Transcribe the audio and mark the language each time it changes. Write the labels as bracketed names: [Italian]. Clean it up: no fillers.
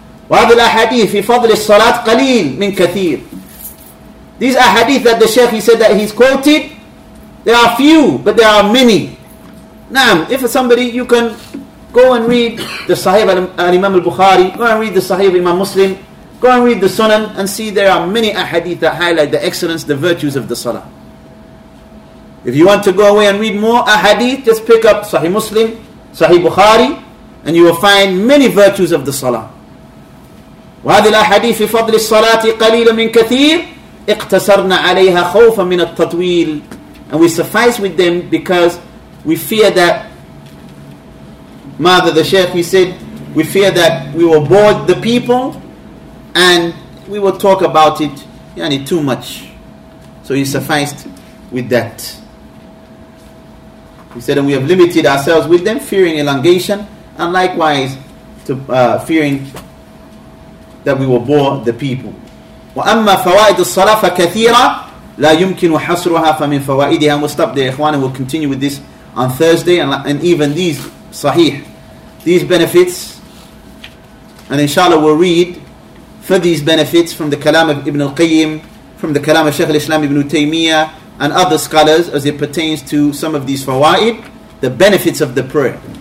[Arabic] وهذه الأحاديث في فضل الصلاة قليل من كثير. [English] These أحاديث that the Shaykh, he said that he's quoted, they are few but they are many. نعم, if somebody, you can go and read the Sahih al-Imam al-Bukhari, go and read the Sahih al-Imam Muslim, go and read the Sunan and see there are many ahadith that highlight the excellence, the virtues of the salah. If you want to go away and read more ahadith, just pick up Sahih Muslim, Sahih Bukhari, and you will find many virtues of the salah. [Arabic] وَهَذِي الْأَحَدِيثِ فِي فَضْلِ الصَّلَاةِ قَلِيلٌ مِّن كَثِيرٌ اقتصرنا عليها خوفا من التطويل. [English] And we suffice with them because we fear that, Mother the Sheikh, he said, we fear that we will bore the people and we will talk about it yani, too much. So he sufficed with that. He said, and we have limited ourselves with them, fearing elongation, and likewise to fearing that we will bore the people. [Arabic] وَأَمَّا فَوَائِدُ الصَّلَاةِ فَكَثِيرًا لا يمكن حصرها فمن فوائدها. [English] And we'll stop there, Ikhwan, and we'll continue with this on Thursday. And even these, sahih, these benefits, and inshallah we'll read for these benefits from the kalam of Ibn al-Qayyim, from the kalam of Shaykh al-Islam Ibn Taymiyyah, and other scholars as it pertains to some of these fawaid, the benefits of the prayer.